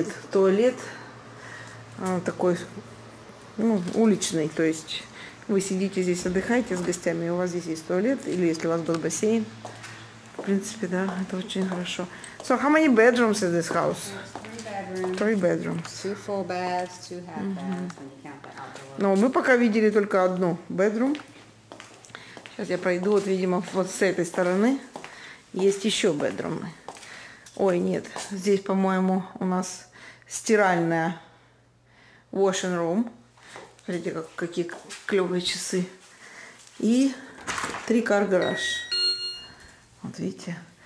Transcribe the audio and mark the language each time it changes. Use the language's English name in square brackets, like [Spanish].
[Russian] Туалет такой, ну, уличный, то есть вы сидите здесь, отдыхаете с гостями, и у вас здесь есть туалет, или если у вас был бассейн, в принципе, да, это очень хорошо. [English] So, how many bedrooms is this house? Three bedrooms. Three bedrooms. Two full baths, two half baths, and you count the outdoor. [Russian] Но мы пока видели только одну bedroom. Сейчас я пройду, вот, видимо, вот с этой стороны есть еще bedroom-ы. Ой, нет, здесь, по-моему, у нас стиральная [English] washing room. [Russian] Смотрите, какие клевые часы. И три [English] car garage. [Russian] Вот видите.